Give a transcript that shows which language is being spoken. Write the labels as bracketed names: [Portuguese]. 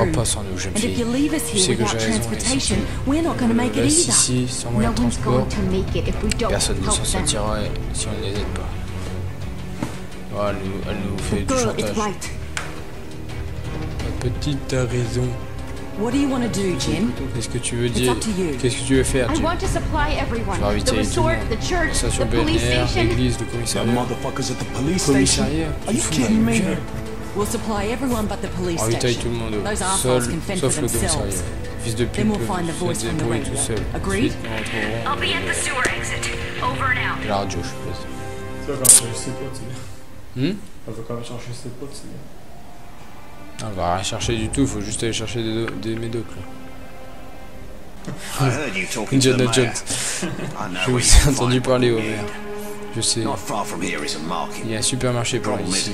[English] And if you leave us here without transportation, we're not going to make it either. Si, si, no one's going to make it if we don't help them. [French] Personne ne s'en sortira si on ne les aide pas. Oh, elle nous fait du chantage. [English] Right. [French] Ma petite a raison. [English] What do you want to do, Jim? [French] Qu'est-ce que tu veux dire? Qu'est-ce que tu veux faire, Jim? [English] I want to supply everyone. [French] Tu vas inviter tout le monde. [English] The church, the police station, [French] l'église, le commissariat. [English] Motherfuckers at the police station. Are you kidding me? We'll supply everyone but the police station. Those assholes can fend for themselves. Then we'll find the voice from the radio. Agreed? I'll be at the sewer exit. Over and out. [French] La radio, je suppose. Tu vas quand même chercher ses potes, Elle va quand même chercher ses potes, c'est bien. Elle va rien chercher du tout, faut juste aller chercher des médocs, là. Indiana Jones. Je vous ai entendu parler, Homer. Je sais, il y a un supermarché pour lui ici.